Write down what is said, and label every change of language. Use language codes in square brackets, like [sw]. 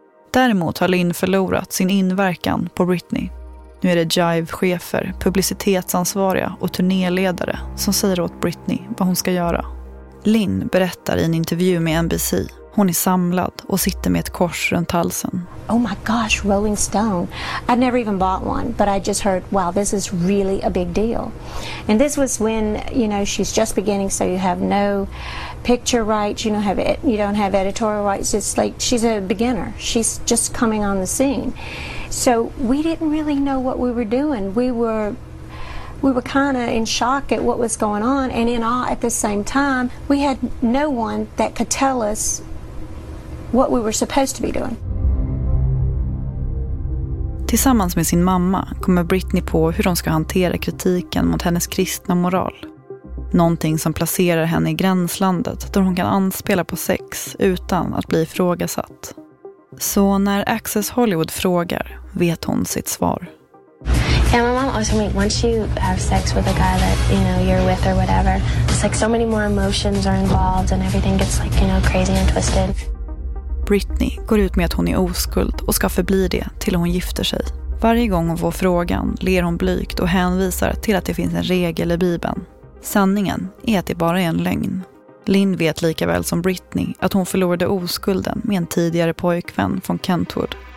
[sv] Däremot har Lynn förlorat sin inverkan på Britney. Nu är det Jive-chefer, publicitetsansvariga och turnéledare som säger åt Britney vad hon ska göra. Lynn berättar i en intervju med NBC. Hon är samlad och sitter med ett kors runt halsen. [en] Oh my gosh, Rolling Stone. I'd never even bought one, but I just heard, wow, this is really a big deal. And this was when, you know, she's just beginning, so you have no picture rights, you don't have it, you don't have editorial rights. It's like she's a beginner. She's just coming on the scene. So we didn't really know what we were doing. We were kind of in shock at what was going on and in awe at the same time. We had no one that could tell us what we were supposed to be doing. [sv] Tillsammans med sin mamma kommer Britney på hur de ska hantera kritiken mot hennes kristna moral. Någonting som placerar henne i gränslandet där hon kan anspela på sex utan att bli ifrågasatt. Så när Access Hollywood frågar vet hon sitt svar. [en] Yeah, my mom also told me once you have sex with a guy that you know you're with or whatever, it's like so many more emotions are involved and everything gets like, you know, crazy and twisted. [sv] Britney går ut med att hon är oskuld och ska förbli det till hon gifter sig. Varje gång hon får frågan ler hon blygt och hänvisar till att det finns en regel i Bibeln. Sanningen är att det bara är en lögn. Lynn vet lika väl som Britney att hon förlorade oskulden med en tidigare pojkvän från Kentwood.